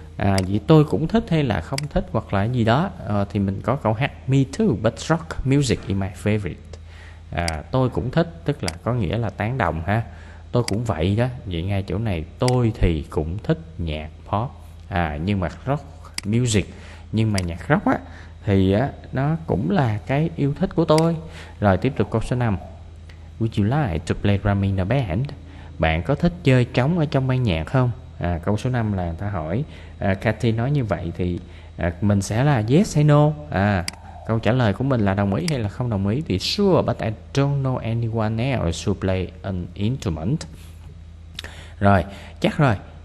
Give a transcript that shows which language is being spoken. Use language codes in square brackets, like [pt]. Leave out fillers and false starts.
[vi] Vậy tôi cũng thích hay là không thích hoặc là gì đó. Thì mình có câu hát [en] me too, but rock music is my favorite. [vi] Tôi cũng thích, tức là có nghĩa là tán đồng ha. Tôi cũng vậy đó. Vậy ngay chỗ này tôi thì cũng thích nhạc pop, nhưng mà rock music. Nhưng mà nhạc rock á thì á nó cũng là cái yêu thích của tôi. Rồi tiếp tục câu số 5. [en] Would you like to play drum in a band? [vi] Bạn có thích chơi trống ở trong ban nhạc không? Câu số 5 là ta hỏi, Cathy nói như vậy thì mình sẽ là yes hay no. Câu trả lời của mình là đồng ý hay là không đồng ý thì [en] sure, but I don't know anyone else who play an instrument. [vi] Rồi, chắc rồi.